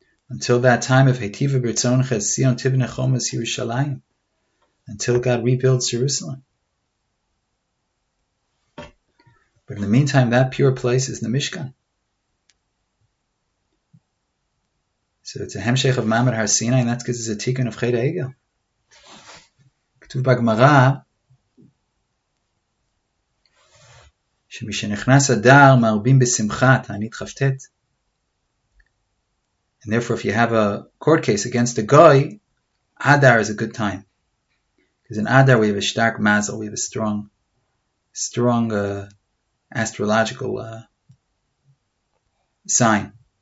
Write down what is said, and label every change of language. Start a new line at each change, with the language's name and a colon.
English: Until that time of Heitiva Bertzon Chesion Tibne Chomas Yerushalayim. Until God rebuilds Jerusalem. But in the meantime, that pure place is the Mishkan. So it's a Hemshech of Mamad Har Sinai, and that's because it's a Tikkun of Chet HaEgel.
Hebrew: כתוב בגמרא שמשנכנס אדר מרבים בשמחה, תענית חפתת.
English: And therefore if you have a court case against a guy, Adar is a good time. Because in Adar we have a stark mazel, we have a strong astrological sign.